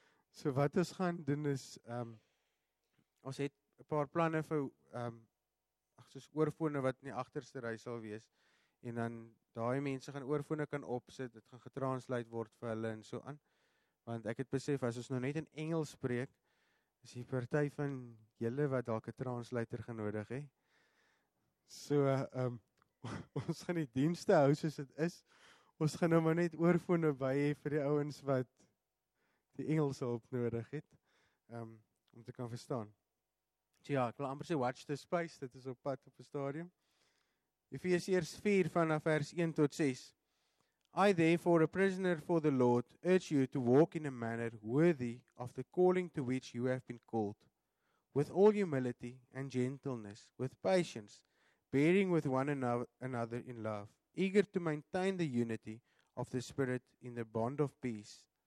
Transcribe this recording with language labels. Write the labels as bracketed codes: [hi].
[af] So wat ons gaan doen is, ons het 'n paar planne vir, soos oorfone wat in die agterste ry sal wees, en dan daai mense gaan oorfone kan opsit, dit gaan getranslate word vir hulle en so aan, want ek het besef, as ons nou net in Engels spreek, is die partij van jylle wat dalk 'n translator genodig he. So, ons gaan die dienste hou soos dit is, ons gaan nou maar net oorfone by hê vir die ouens wat die Engelse hulp nodig het, om te kan verstaan. So ja, ek wil amper sê [en] watch the space, [af] dit is op pad op 'n stadium. Efesiërs 4 vanaf vers 1 tot 6. [en] I therefore, a prisoner for the Lord, urge you to walk in a manner worthy of the calling to which you have been called, with all humility and gentleness, with patience, bearing with one another in love, eager to maintain the unity of the Spirit in the bond of peace.